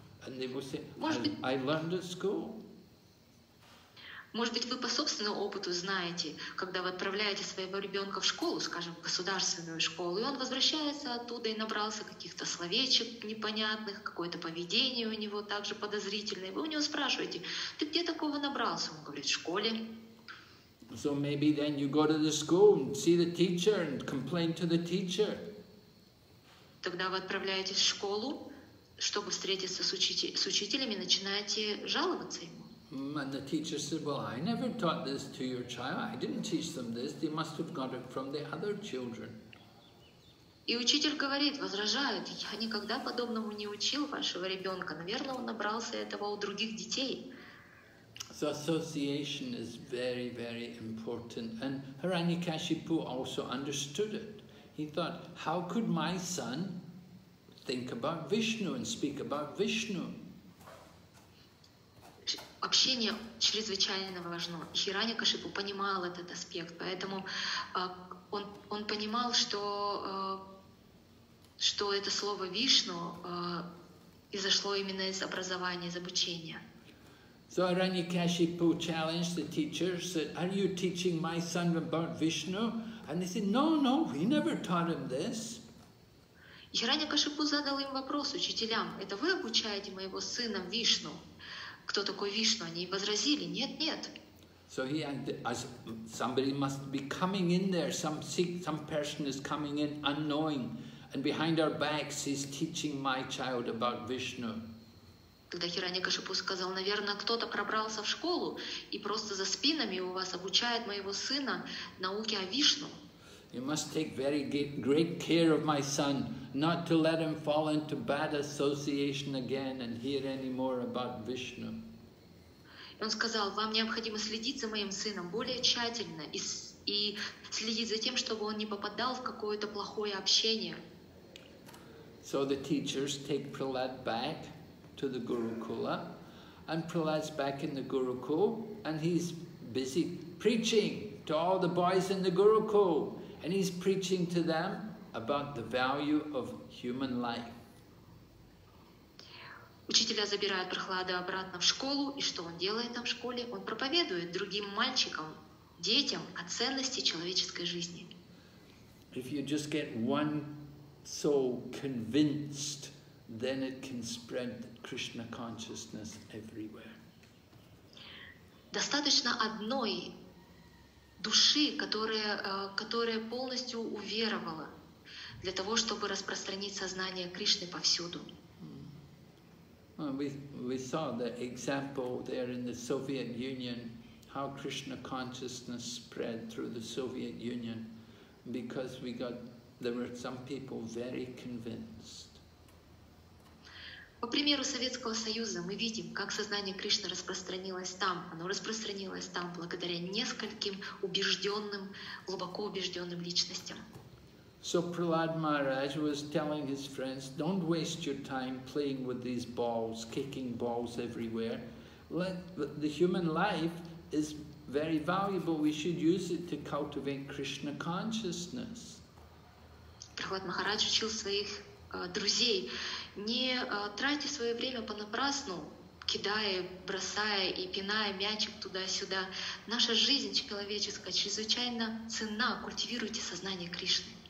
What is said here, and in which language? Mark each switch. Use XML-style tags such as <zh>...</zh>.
<en>And they will say, I learned at school.</en> <ru>Может быть, вы по собственному опыту знаете, когда вы отправляете своего ребенка в школу, скажем, в государственную школу, и он возвращается оттуда и набрался каких-то словечек непонятных, какое-то поведение у него также подозрительное. Вы у него спрашиваете, ты где такого набрался? Он говорит, в школе.</ru> <en>So maybe then you go to the school and see the teacher and complain to the teacher.</en> <ru>Тогда вы отправляетесь в школу, чтобы встретиться с учителем и начинаете жаловаться ему.</ru> <en>And the teacher said, well, I never taught this to your child. I didn't teach them this. They must have got it from the other children.</en> <ru>И учитель говорит, возражает, я никогда подобному не учил вашего ребенка. Наверное, он набрался этого у других детей.</ru> <en>So association is very, very important. And Hiranyakashipu also understood it. He thought, how could my son think about Vishnu and speak about Vishnu?</en> <ru>Общение чрезвычайно важно. Хиранякашипу понимал этот аспект, поэтому он понимал, что это слово Вишну изошло именно из образования, из обучения.</ru> <en>So Hiranyakashipu challenged the teachers, said, "Are you teaching my son about Vishnu?" And they said, "No, no, we never taught him this."</en> <ru>Хиранякашипу задал им вопрос учителям: "Это вы обучаете моего сына Вишну?" Кто такой Вишну? Они возразили: нет, нет.</ru> <en>So he had, as somebody must be coming in there, some person is coming in unknowing, and behind our backs he's teaching my child about Vishnu.</en> <ru>Когда Хиранякашипу сказал, наверное, кто-то пробрался в школу и просто за спинами у вас обучает моего сына науке о Вишну.</ru> <en>You must take very great care of my son, not to let him fall into bad association again and hear any more about Vishnu.</en> <ru>И он сказал, вам необходимо следить за моим сыном более тщательно и следить за тем, чтобы он не попадал в какое-то плохое общение.</ru> <en>So the teachers take Prahlad back to the Gurukula, and Prahlad's back in the Gurukul, and he's busy preaching to all the boys in the Gurukul. And he's preaching to them about the value of human life.</en> <ru>Учителя забирают Прохлада обратно в школу, и что он делает там в школе? Он проповедует другим мальчикам, детям о ценности человеческой жизни.</ru> <en>If you just get one soul convinced, then it can spread Krishna consciousness everywhere.</en> <ru>Достаточно одной души, которая полностью уверовала для того, чтобы распространить сознание Кришны повсюду.</ru> <en>We saw the example there in the Soviet Union, how Krishna consciousness spread through the Soviet Union, because there were some people very convinced.</en> <ru>По примеру Советского Союза мы видим, как сознание Кришны распространилось там. Оно распространилось там благодаря нескольким убежденным, глубоко убежденным личностям.</ru> <en>So Prahlad Maharaj was telling his friends, don't waste your time playing with these balls, kicking balls everywhere. The human life is very valuable. We should use it to cultivate Krishna consciousness.</en> <ru>Прохлад Махарадж учил своих друзей не тратьте свое время понапрасну, кидая, бросая и пиная мячик туда-сюда. Наша жизнь человеческая чрезвычайно ценна. Культивируйте сознание Кришны.</ru>